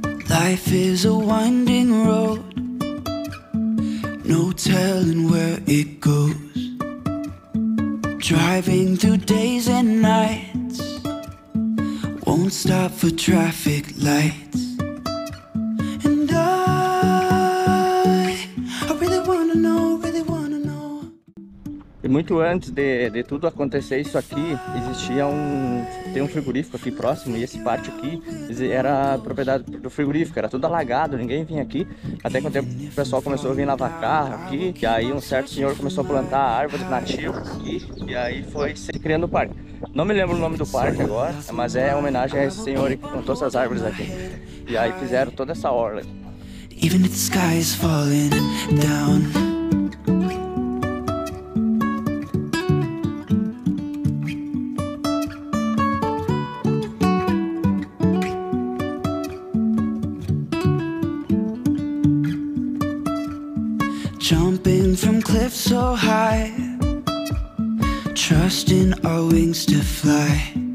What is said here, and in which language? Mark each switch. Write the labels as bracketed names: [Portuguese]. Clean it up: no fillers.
[English] Life is a winding road, no telling where it goes. Driving through days and nights, won't stop for traffic lights. And I really wanna know, really wanna know. [Portuguese] E muito antes de tudo acontecer isso aqui, existia um frigorífico aqui próximo, e esse pátio aqui era a propriedade do frigorífico, era tudo alagado, ninguém vinha aqui. Até que um tempo o pessoal começou a vir lavar carro aqui, e aí um certo senhor começou a plantar árvores nativas aqui, e aí foi se criando o parque. Não me lembro o nome do parque agora, mas é uma homenagem a esse senhor que plantou essas árvores aqui, e aí fizeram toda essa orla. [English] Even if the sky is falling down, jumping from cliffs so high, trusting our wings to fly.